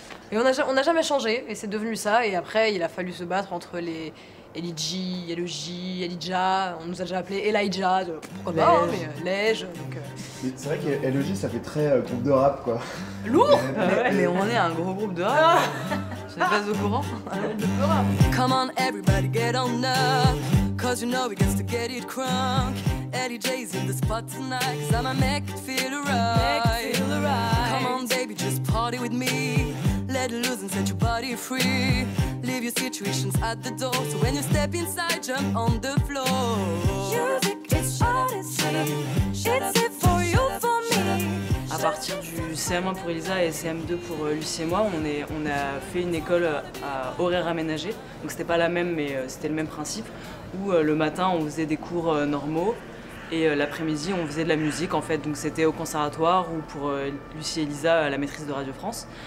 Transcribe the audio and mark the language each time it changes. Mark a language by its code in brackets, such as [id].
[fr] Et on n'a jamais changé et c'est devenu ça et après il a fallu se battre entre les LEJ, LEJ, Elijah, on nous a déjà appelé Elijah, pourquoi pas, mais Lège. Mais c'est vrai que LEJ ça fait très groupe de rap quoi. Lourd mais on est un gros groupe de rap. Je n'ai pas au courant. [en] Come on everybody get on up, cause you know we gets to get it crunk. LEJ's in the spot tonight, cause I'ma make it feel alright. Come on baby just party with me, let it loose and set your body free. Leave your situations at the door, so when you step inside, jump on the floor. Music is odyssey, it's it for you, for me. [fr] À partir du CM1 pour Elisa et CM2 pour Lucie et moi, on a fait une école à horaire aménagé. Donc c'était pas la même, mais c'était le même principe, où le matin on faisait des cours normaux et l'après-midi on faisait de la musique en fait. Donc c'était au conservatoire ou pour Lucie et Elisa à la maîtrise de Radio France.